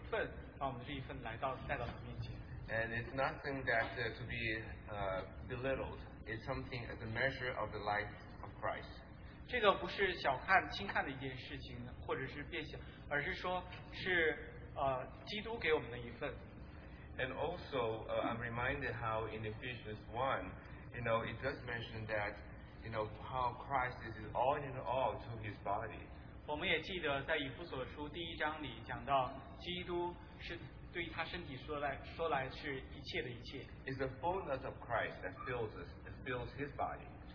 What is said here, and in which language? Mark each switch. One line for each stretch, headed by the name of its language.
Chinese: 哥林多前书十四章里面讲到,我们每一个人做他的肢体,我们都有着一个份,把我们这一份带到他面前。
English: And it's nothing that to be belittled. It's something as a measure of the life of Christ.
Chinese: 这个不是小看,轻看的一件事情,或者是变小。而是说是基督给我们的一份。
English: And also, I'm reminded how in Ephesians 1, you know, it does mention that, you know, how Christ is all in all to his body.
Chinese: 我们也记得在以弗所书第一章里讲到基督是对他身体说来是一切的一切。
English: It's the fullness of Christ that fills us, that fills his body.